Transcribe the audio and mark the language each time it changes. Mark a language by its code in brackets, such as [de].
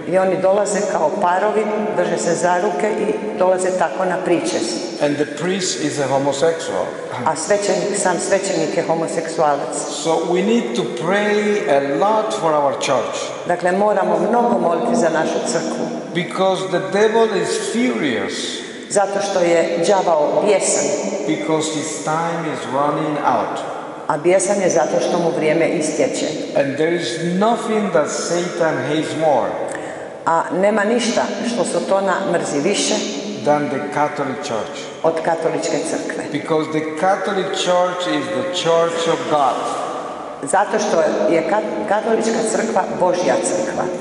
[hr] I oni dolaze kao parovi, drže se za ruke i dolaze tako na pričest. [en] And the priest is a homosexual. [hr] A svećenik, sam svećenik je homoseksualac. [en] So we need to pray a lot for our church. [hr] Dakle, moramo mnogo moliti za našu crkvu. [en] Because the devil is furious. [hr] Zato što je đavao bijesan. [en] Because his time is running out. [hr] A bijesan je zato što mu vrijeme istječe. [en] And there is nothing that Satan hates more. [hr] A nema ništa što Satana mrzi više [en] than the Catholic Church. [hr] Od katoličke crkve. [en] Because the Catholic Church is the Church of God. [hr] Zato što je katolička crkva Božja crkva.